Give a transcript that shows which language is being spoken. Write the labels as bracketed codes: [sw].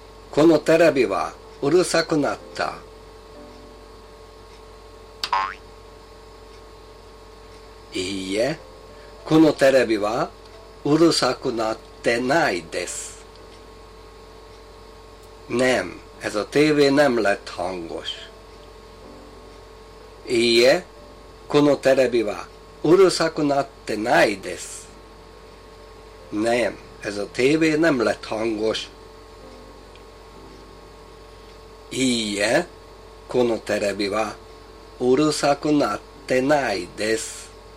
[ja] このテレビはうるさくなった。いいえ、このテレビはうるさくなってないです。 [hu] Nem, ez a tévé nem lett hangos. [ja] いいえ、このテレビはうるさくなってないです。 [hu] Nem, ez a tévé nem lett hangos. [ja] いいえ、このテレビはうるさくなってないです。